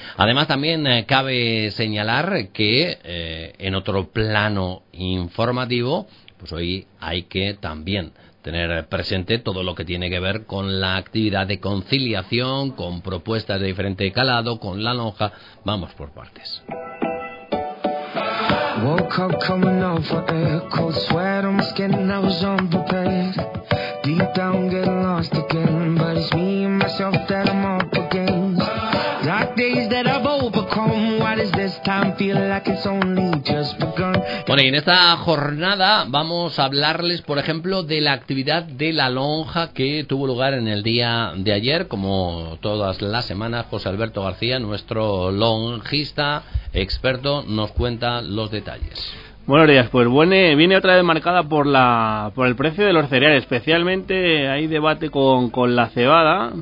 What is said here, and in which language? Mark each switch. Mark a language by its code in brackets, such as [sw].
[es] Además, también cabe señalar que en otro plano informativo, pues hoy hay que también tener presente todo lo que tiene que ver con la actividad de conciliación, con propuestas de diferente calado, con la lonja. Vamos por partes. [en] Woke up coming over air, cold sweat on my skin, I was unprepared. Deep down getting lost again, but it's me and myself that I'm up against. Dark days that I've overcome, why does this time feel like it's only just begun? [es] Bueno, y en esta jornada vamos a hablarles, por ejemplo, de la actividad de la lonja que tuvo lugar en el día de ayer, como todas las semanas. José Alberto García, nuestro lonjista experto, nos cuenta los detalles. Buenos días, pues viene otra vez marcada por el precio de los cereales, especialmente hay debate con la cebada.